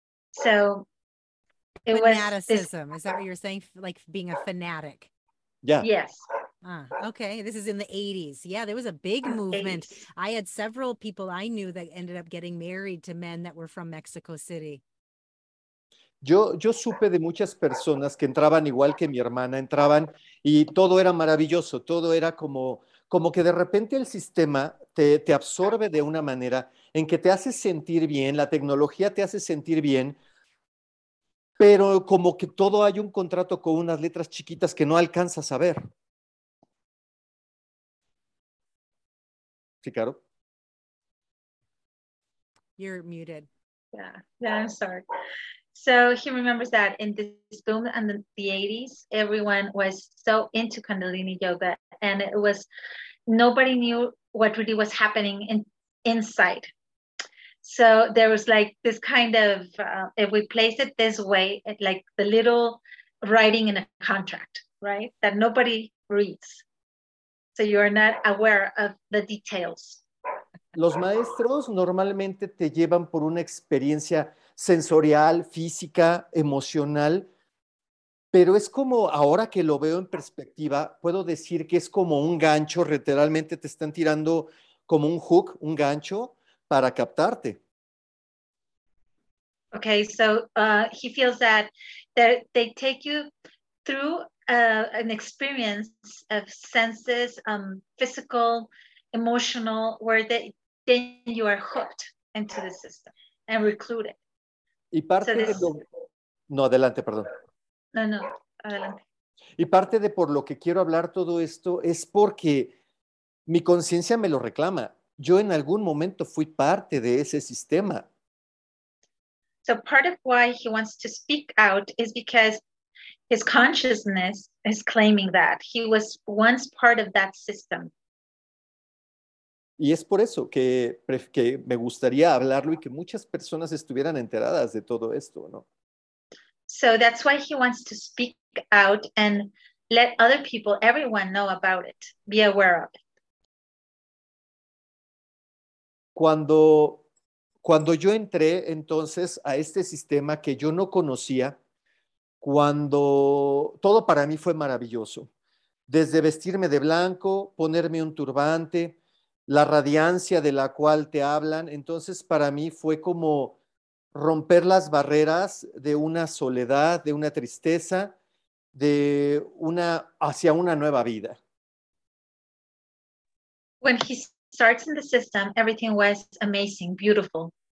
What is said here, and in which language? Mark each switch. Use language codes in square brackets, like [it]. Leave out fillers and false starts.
[en] So it fanaticism, is that what you're saying? Like being a fanatic? Yeah. Yes. Okay, this is in the 80s. Yeah, there was a big movement. 80s. I had several people I knew that ended up getting married to men that were from Mexico City. [es] Yo supe de muchas personas que entraban igual que mi hermana, entraban y todo era maravilloso, todo era como que de repente el sistema te absorbe de una manera en que te hace sentir bien, la tecnología te hace sentir bien, pero como que todo hay un contrato con unas letras chiquitas que no alcanzas a ver. ¿Sí, Caro? [en] You're muted. Yeah, I'm sorry. So he remembers that in this boom in the 80s, everyone was so into Kundalini Yoga, and it was, nobody knew what really was happening inside. So there was like this kind of, if we place it this way, it like the little writing in a contract, right? That nobody reads. So you are not aware of the details. [es] Los maestros normalmente te llevan por una experiencia sensorial, física, emocional, pero es como ahora que lo veo en perspectiva, puedo decir que es como un gancho, literalmente te están tirando como un hook, un gancho para captarte. [en] Okay, so he feels that they take you through an experience of senses, physical, emotional, where then you are hooked into the system and recruited. [es] Y parte de lo... No, adelante, perdón. No, adelante. Y parte de por lo que quiero hablar todo esto es porque mi conciencia me lo reclama. Yo en algún momento fui parte de ese sistema. [en] So part of why he wants to speak out is because his consciousness is claiming that he was once part of that system. [es] Y es por eso que me gustaría hablarlo y que muchas personas estuvieran enteradas de todo esto, ¿no? [en] So that's why he wants to speak out and let other people, everyone know about it, be aware of it. [es] Cuando yo entré entonces a este sistema que yo no conocía, cuando todo para mí fue maravilloso, desde vestirme de blanco, ponerme un turbante, la radiancia de la cual te hablan, entonces para mí fue como romper las barreras de una soledad, de una tristeza, de una hacia una nueva vida. [en] When he starts in the system, everything was amazing, beautiful.